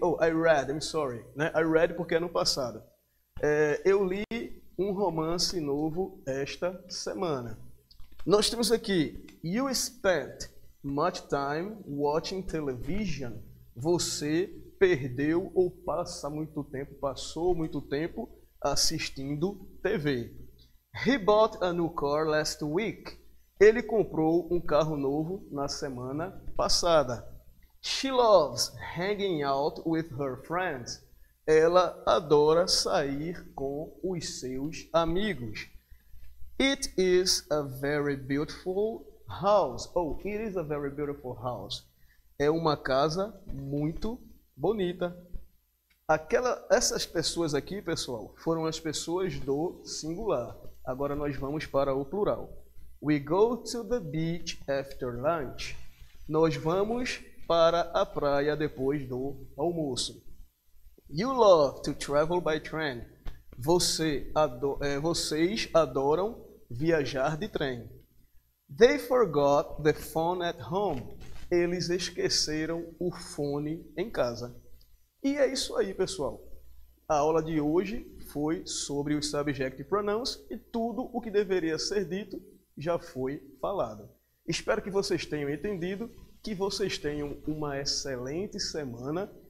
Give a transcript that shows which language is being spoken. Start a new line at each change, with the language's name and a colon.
English: Oh, I read, I'm sorry,
Portuguese: né?
English: I read
Portuguese: porque é no passado. Eu li um romance novo esta semana. Nós temos aqui,
English: you spent much time watching television.
Portuguese: Você perdeu ou passou muito tempo assistindo TV.
English: He bought a new car last week.
Portuguese: Ele comprou um carro novo na semana passada.
English: She loves hanging out with her friends.
Portuguese: Ela adora sair com os seus amigos.
English: It is a very beautiful house. Oh, it is a very beautiful house.
Portuguese: É uma casa muito bonita. Essas pessoas aqui, pessoal, foram as pessoas do singular. Agora nós vamos para o plural.
English: We go to the beach after lunch.
Portuguese: Nós vamos para a praia depois do almoço.
English: You love to travel by train.
Portuguese: Vocês adoram viajar de trem.
English: They forgot the phone at home.
Portuguese: Eles esqueceram o fone em casa. E é isso aí, pessoal. A aula de hoje foi sobre os subject pronouns e tudo o que deveria ser dito já foi falado. Espero que vocês tenham entendido, que vocês tenham uma excelente semana.